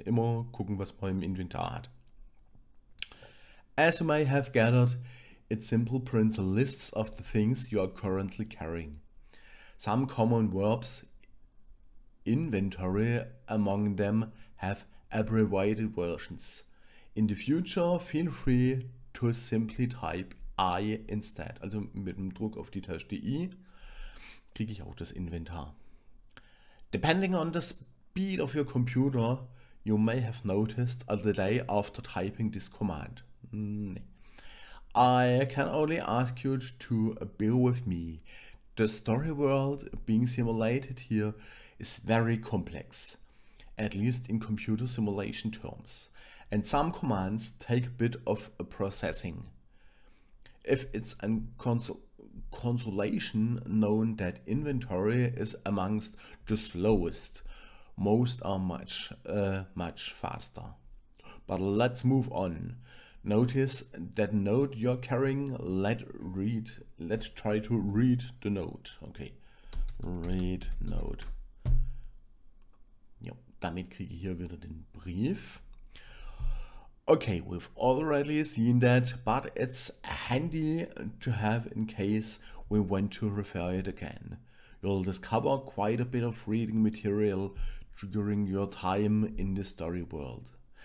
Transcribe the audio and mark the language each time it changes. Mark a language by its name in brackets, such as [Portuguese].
[German] Immer gucken, was man im Inventar hat. [English] As you may have gathered, it simply prints a list of the things you are currently carrying. Some common verbs, inventory among them, have abbreviated versions. In the future, feel free to simply type I instead. [German] Also mit dem Druck auf die Taste I kriege ich auch das Inventar. [English] Depending on the speed of your computer, you may have noticed a delay after typing this command. I can only ask you to bear with me. The story world being simulated here is very complex, at least in computer simulation terms, and some commands take a bit of a processing. If it's a consolation known that inventory is amongst the slowest, most are much faster. But let's move on. Notice that note you're carrying, let's try to read the note. Okay, read note. [German] Ja, damit kriege ich hier wieder den Brief. [English] Okay, we've already seen that, but it's handy to have in case we want to refer it again. You'll discover quite a bit of reading material during your time in the story world.